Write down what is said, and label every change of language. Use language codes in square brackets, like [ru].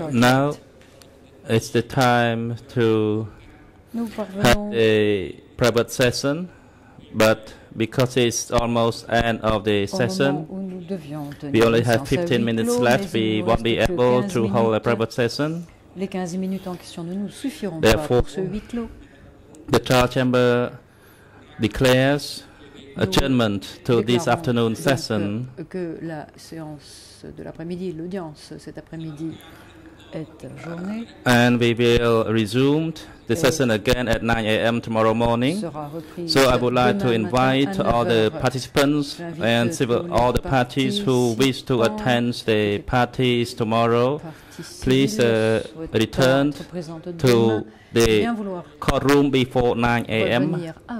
[en] Now it's the time to have a private session but because it's almost end of the session, we only have 15 minutes left, we won't be able to hold a private session. [fr] Les 15 minutes en question ne nous suffiront pas pour ce huis clos. [en] The trial chamber declares adjournment to this afternoon session. [fr] Que la séance de l'après-midi, l'audience cet après-midi est adjournée. [en] And we will resume the session again at 9 a.m. tomorrow morning. So I would like to invite all the participants and all the parties who wish to attend the parties tomorrow. Please return to the courtroom before 9 a.m.